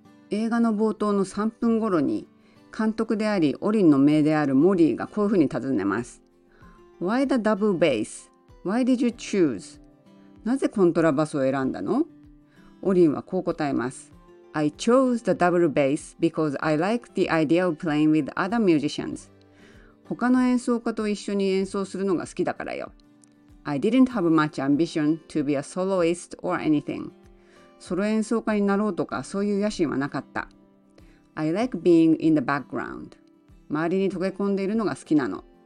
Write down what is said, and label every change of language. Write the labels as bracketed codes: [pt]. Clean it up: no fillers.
[ja] 映画の冒頭の3分頃に、監督でありオリンの姪であるモリーがこういうふうに尋ねます。 [en] Why the double bass? Why did you choose? [ja] なぜコントラバスを選んだの？オリンはこう答えます。 [en] I chose the double bass because I like the idea of playing with other musicians. [ja] 他の演奏家と一緒に演奏するのが好きだからよ。 [en] I didn't have much ambition to be a soloist or anything. [ja] ソロ演奏家になろうとかそういう野心はなかった。 [en] I like being in the background. [ja] 周りに溶け込んでいるのが好きなの。